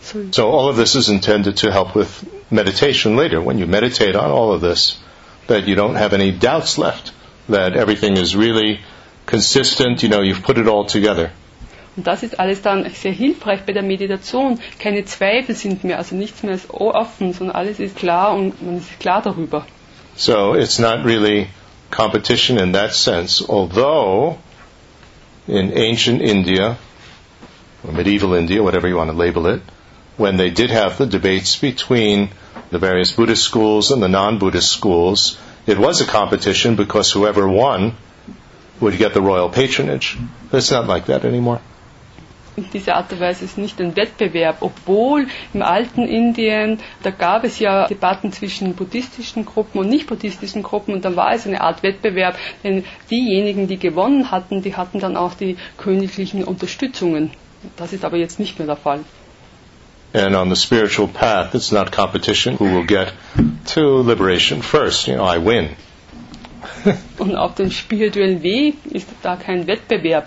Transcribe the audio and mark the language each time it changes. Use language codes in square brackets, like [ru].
[en] So all of this is intended to help with meditation later. When you meditate on all of this, that you don't have any doubts left, that everything is really consistent, you know, you've put it all together. [de] Und das ist alles dann sehr hilfreich bei der Meditation. Keine Zweifel sind mehr, also nichts mehr ist offen, sondern alles ist klar und man ist klar darüber. [en] So it's not really competition in that sense, although in ancient India, or medieval India, whatever you want to label it, when they did have the debates between the various Buddhist schools and the non-Buddhist schools, it was a competition because whoever won would get the royal patronage. But it's not like that anymore. [de] In dieser Art und Weise ist nicht ein Wettbewerb, obwohl im alten Indien, da gab es ja Debatten zwischen buddhistischen Gruppen und nicht-buddhistischen Gruppen und dann war es eine Art Wettbewerb, denn diejenigen, die gewonnen hatten, die hatten dann auch die königlichen Unterstützungen. Das ist aber jetzt nicht mehr der Fall. [en] And on the spiritual path, it's not competition who will get to liberation first. You know, I win. [de] Und auf dem spirituellen Weg ist da kein Wettbewerb.